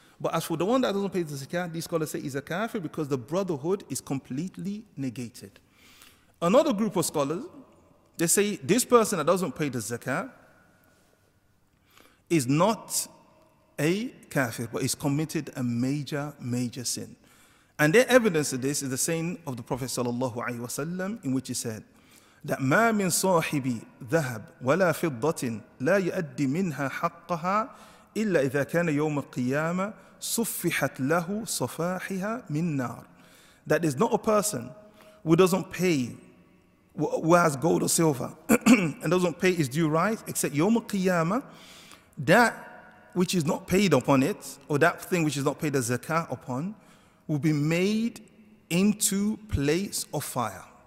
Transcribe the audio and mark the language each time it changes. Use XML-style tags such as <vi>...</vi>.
<en>But as for the one that doesn't pay the zakah, these scholars say he's a kafir because the brotherhood is completely negated. Another group of scholars, they say this person that doesn't pay the zakah is not a kafir, but he's committed a major, major sin. And their evidence of this is the saying of the Prophet sallallahu alaihi wasallam, in which he said that</en> <ar>ما من صاحب ذهب ولا فضة لا يؤدي منها حقها إلا إذا كان يوم القيامة صفحت له صفاحها من نار.</ar> <en>That is not a person who doesn't pay, who has gold or silver and doesn't pay his due right, except يوم القيامة, that which is not paid upon it, or that thing which is not paid the zakah upon, will be made into plates of fire.</en>